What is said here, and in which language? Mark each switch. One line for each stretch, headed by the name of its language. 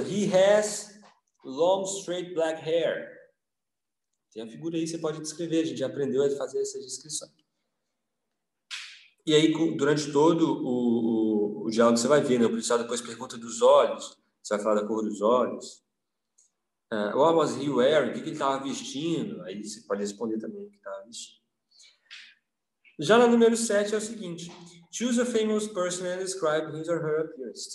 English: He has long, straight black hair.
Portuguese: Tem a figura aí, você pode descrever. A gente já aprendeu a fazer essa descrição. E aí, durante todo o diálogo, você vai ver, né? O policial depois pergunta dos olhos. Você vai falar da cor dos olhos.
English: What was he wearing?
Portuguese: O que ele estava vestindo? Aí você pode responder também o que estava vestindo. Já na número 7 é o seguinte.
English: Choose a famous person and describe his or her appearance.